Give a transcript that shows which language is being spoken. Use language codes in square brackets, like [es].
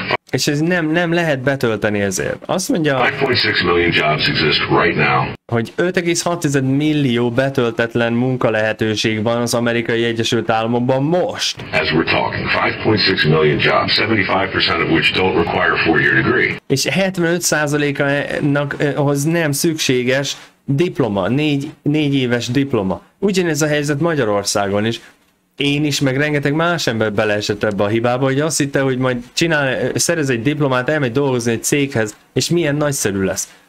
[hu] És ez nem lehet betölteni ezért. Azt mondja, [en] 5.6 million jobs exist right now. [hu] Hogy 5,6 millió betöltetlen munkalehetőség van az Amerikai Egyesült Államokban most. [en] As we're talking, 5.6 million jobs, 75% of which don't require a 4-year degree. [hu] És 75%-nak ahhoz nem szükséges diploma, 4 éves diploma. Ugyanez a helyzet Magyarországon is. Én is, meg rengeteg más ember beleesett ebbe a hibába, hogy azt hitte, hogy majd szerez egy diplomát, elmegy dolgozni egy céghez, és milyen nagyszerű lesz.